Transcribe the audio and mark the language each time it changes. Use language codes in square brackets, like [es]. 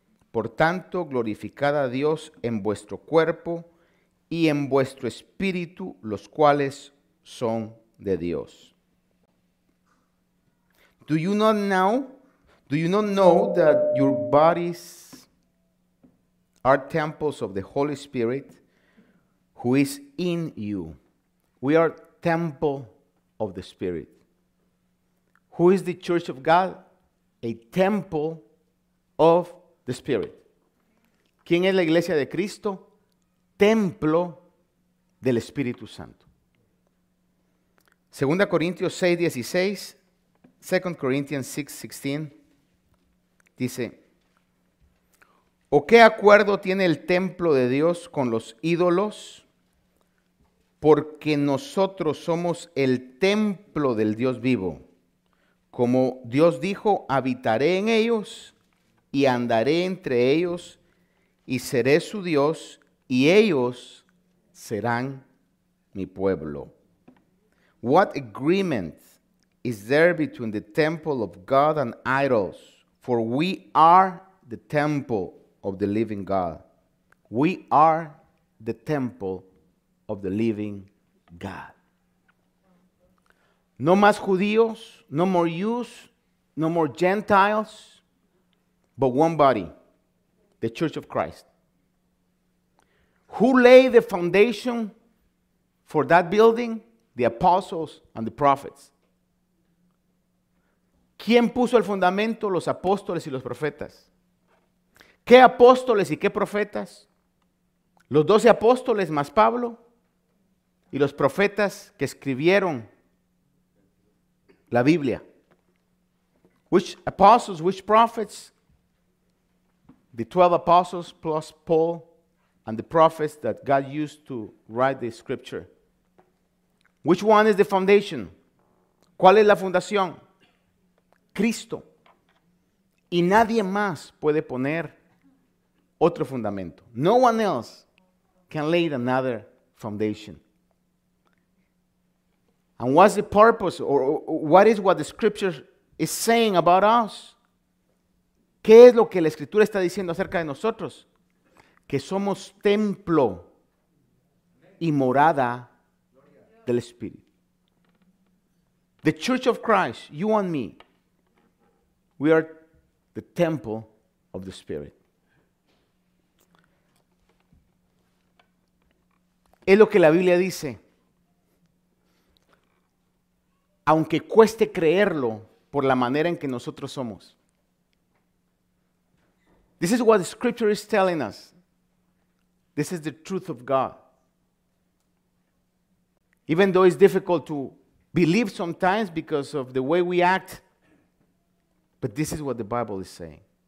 [es] Por tanto, glorificad a Dios en vuestro cuerpo y en vuestro espíritu, los cuales son de Dios. [en] Do you not know that your bodies are temples of the Holy Spirit who is in you? We are temple of the Spirit. Who is the church of God? A temple of the Spirit. [es] ¿Quién es la iglesia de Cristo? Templo del Espíritu Santo. 2 Corintios 6, 16, 2 Corintios 6, 16, dice, ¿o qué acuerdo tiene el templo de Dios con los ídolos? Porque nosotros somos el templo del Dios vivo. Como Dios dijo, habitaré en ellos y andaré entre ellos y seré su Dios y ellos serán mi pueblo. [en] What agreement is there between the temple of God and idols? For we are the temple of the living God. We are the temple of the living God. [es] No más judíos, [en] no more Jews, no more Gentiles, but one body, the Church of Christ. Who laid the foundation for that building? The apostles and the prophets. [es] ¿Quién puso el fundamento? Los apóstoles y los profetas. ¿Qué apóstoles y qué profetas? Los 12 apóstoles más Pablo y los profetas que escribieron la Biblia. [en] Which apostles, which prophets? The 12 apostles plus Paul and the prophets that God used to write the scripture. Which one is the foundation? [es] ¿Cuál es la fundación? Cristo. Y nadie más puede poner otro fundamento. [en] No one else can lay another foundation. And what's the purpose, or what is what the scripture is saying about us? [es] ¿Qué es lo que la escritura está diciendo acerca de nosotros? Que somos templo y morada del Espíritu. [en] The Church of Christ, you and me, we are the temple of the Spirit. [es] Es lo que la Biblia dice. Aunque cueste creerlo por la manera en que nosotros somos. [en] This is what the scripture is telling us. This is the truth of God. Even though it's difficult to believe sometimes because of the way we act, but this is what the Bible is saying.